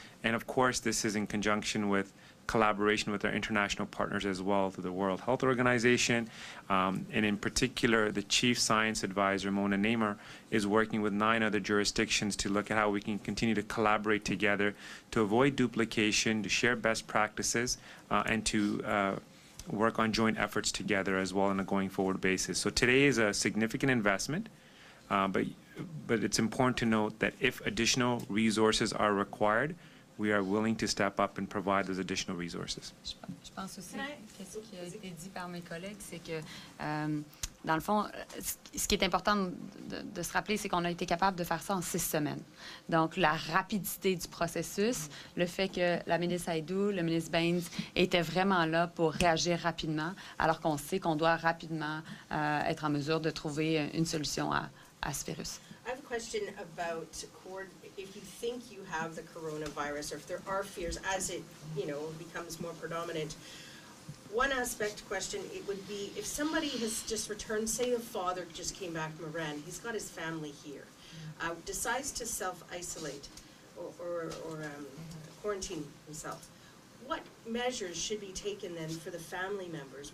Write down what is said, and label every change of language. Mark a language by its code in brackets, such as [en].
[en] And of course, this is in conjunction with collaboration with our international partners as well, through the World Health Organization, and in particular, the Chief Science Advisor, Mona Nehmer, is working with 9 other jurisdictions to look at how we can continue to collaborate together to avoid duplication, to share best practices, and to work on joint efforts together as well on a going forward basis. So today is a significant investment, but it's important to note that if additional resources are required, we are willing to step up and provide those additional resources. [fr] Je pense aussi que ce qui a été dit par mes collègues, c'est que dans le fond, ce qui est important de se rappeler, c'est qu'on a été capable de faire ça en 6 semaines. Donc, la rapidité du processus, le fait que la ministre Hajdu, le ministre Baines étaient vraiment là pour réagir rapidement, alors qu'on sait qu'on doit rapidement être en mesure de trouver une solution à ce virus. [en] I have a question about if you think you have the coronavirus, or if there are fears as it, you know, becomes more predominant. One aspect question, it would be, if somebody has just returned, say a father just came back from Iran, he's got his family here, decides to self-isolate or quarantine himself, what measures should be taken then for the family members?